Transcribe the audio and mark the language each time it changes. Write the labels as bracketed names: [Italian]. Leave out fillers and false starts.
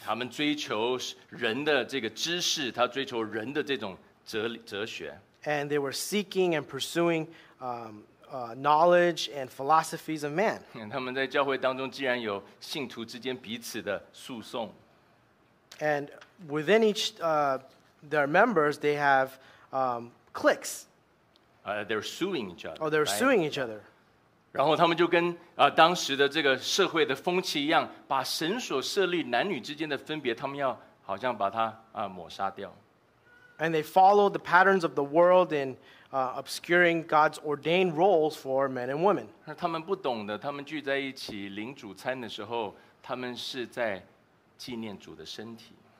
[Chinese] 他们追求人的这个知识，他追求人的这种哲学。 [English] And they were seeking and pursuing knowledge and philosophies of man. [Chinese] 他们在教会当中既然有信徒之间彼此的诉讼。 [English] And within each their members, they have cliques. They're suing each other. Oh, they're suing each other. [Chinese] 然后他们就跟当时的这个社会的风气一样，把神所设立男女之间的分别，他们要好像把它抹杀掉。 [English] And they followed the patterns of the world in obscuring God's ordained roles for men and women. [Chinese] 他们不懂的，他们聚在一起领主餐的时候，他们是在纪念主的身体。